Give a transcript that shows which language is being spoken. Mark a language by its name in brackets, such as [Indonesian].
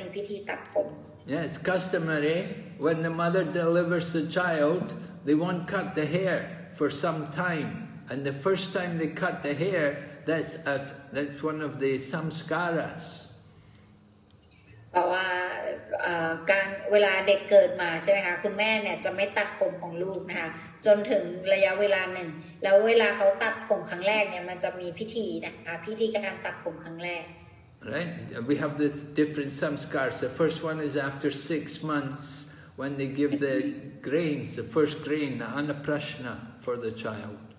[English] Yeah, it's customary when the mother delivers the child, they won't cut the hair for some time. And the first time they cut the hair,That's one of the samskaras. [Thai] เพราะว่าการเวลาเด็กเกิดมาใช่ไหมคะคุณแม่เนี่ยจะไม่ตัดผมของลูกนะคะจนถึงระยะเวลาหนึ่งแล้วเวลาเขาตัดผมครั้งแรกเนี่ยมันจะมีพิธีนะคะพิธีการตัดผมครั้งแรก [English] Right, we have the different samskaras. The first one is after 6 months when they give the grains, the first grain, the anaprashna for the child.